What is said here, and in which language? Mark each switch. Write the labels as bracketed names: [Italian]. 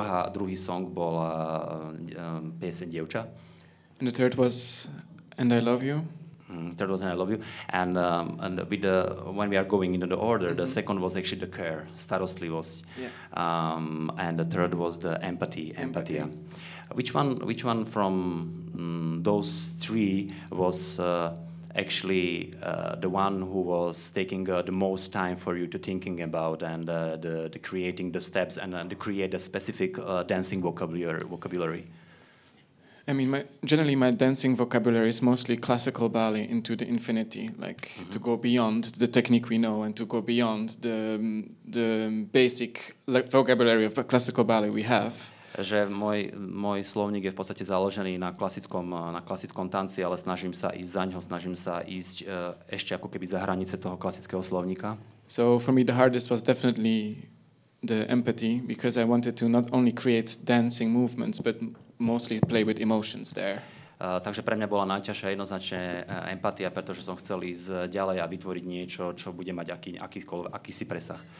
[Slovak] Druhý song bol pieseň Dievča. [English] And the third was And I Love You. Third was I Love You, and with the when we are going into the order, mm-hmm. The second was actually the care, starostlivosť, and the third was the empathy. Yeah. Which one from those three was actually the one who was taking the most time for you to thinking about and the creating the steps and to create a specific dancing vocabulary? I mean, generally my dancing vocabulary is mostly classical ballet into the infinity, like to go beyond the technique we know and to go beyond the basic vocabulary of classical ballet we have. [Slovak] Že môj slovník je v podstate založený na klasickom tanci, ale snažím sa ísť za ňo, snažím sa ísť ešte ako keby za hranice toho klasického slovníka. [English] So for me the hardest was definitely the empathy, because I wanted to not only create dancing movements, but mostly play with emotions there. [Slovak] Takže pre mňa bola najťažšia jednoznačne empatia, pretože som chcel ísť ďalej a vytvoriť niečo, čo bude mať akýsi presah.